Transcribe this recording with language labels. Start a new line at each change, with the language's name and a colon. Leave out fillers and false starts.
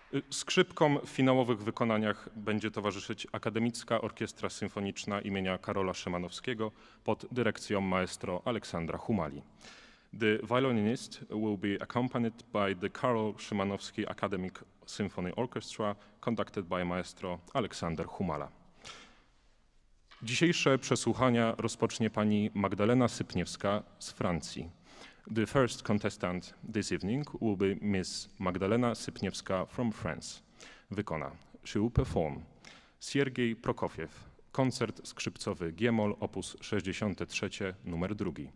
Polish: Skrzypkom w finałowych wykonaniach będzie towarzyszyć Akademicka Orkiestra Symfoniczna imienia Karola Szymanowskiego pod dyrekcją maestro Aleksandra Humali.
English: The violinist will be accompanied by the Karol Szymanowski Academic Symphony Orchestra, conducted by maestro Aleksander Humala.
Polish: Dzisiejsze przesłuchania rozpocznie pani Magdalena Sypniewska z Francji.
English: The first contestant this evening will be Miss Magdalena Sypniewska from France.
Polish: Wykona.
English: She will perform.
Polish: Siergiej Prokofiew. Koncert skrzypcowy G-moll, opus 63, numer 2.